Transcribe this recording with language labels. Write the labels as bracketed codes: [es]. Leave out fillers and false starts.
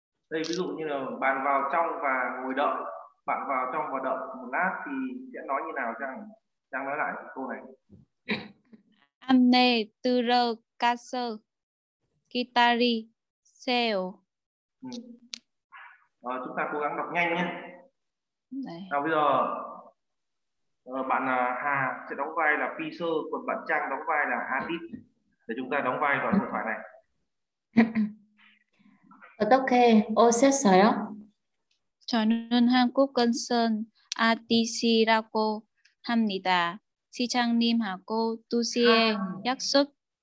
[vi] Đây ví dụ như là bạn vào trong và ngồi đợi, bạn vào trong và đợi một lát thì sẽ nói như nào chăng? Chăng nói lại câu này. [ko] 안에 들어가서 기다리세요. [vi] Rồi chúng ta cố gắng đọc nhanh nhé. Này. Rồi bây giờ bạn Hà sẽ đóng vai là Pi Sơ, còn bạn Trang đóng vai là Hatip. Để chúng ta đóng vai vào hội thoại này. [ko] 어떻게 오셨어요? 저는 한국 건선 RTC라고 합니다. 시장님하고 2시에 약속.